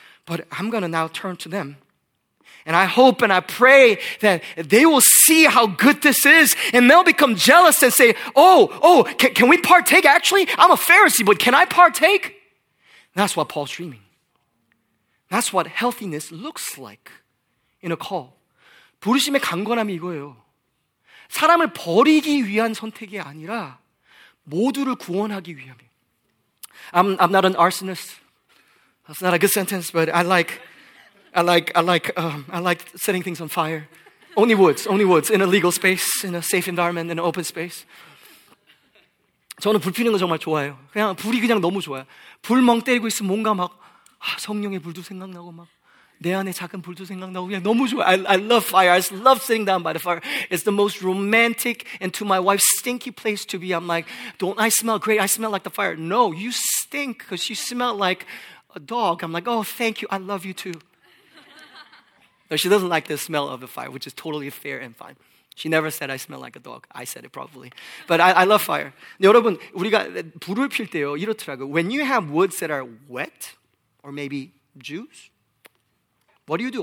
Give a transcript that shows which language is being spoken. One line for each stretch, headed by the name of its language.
English: But I'm going to now turn to them. And I hope and I pray that they will see how good this is and they'll become jealous and say, can we partake? Actually, I'm a Pharisee, but can I partake? That's what Paul's dreaming. That's what healthiness looks like in a call.
Korean: 부르심의 강건함이 이거예요. 사람을 버리기 위한 선택이 아니라 모두를 구원하기 위함이에요.
English: I'm not an arsonist. That's not a good sentence, but I like setting things on fire. Only woods, in a legal space, in a safe environment, in an open space.
Korean: 저는 불 피우는 거 정말 좋아해요. 그냥 불이 그냥 너무 좋아요. 불 멍 때리고 있으면 뭔가 막 성령의 불도 생각나고 막 내 안에 작은 불도 생각나고 그냥 너무 좋아.
English: I love fire. I love sitting down by the fire. It's the most romantic and to my wife stinky place to be. I'm like, don't I smell great? I smell like the fire. No, you stink because you smell like a dog. I'm like, oh, thank you. I love you too. No, she doesn't like the smell of the fire, which is totally fair and fine. She never said I smell like a dog. I said it probably. But I love fire.
Korean: 여러분, 우리가 불을 필 때요, 이렇더라고.
English: When you have woods that are wet, or maybe juice, what do you do?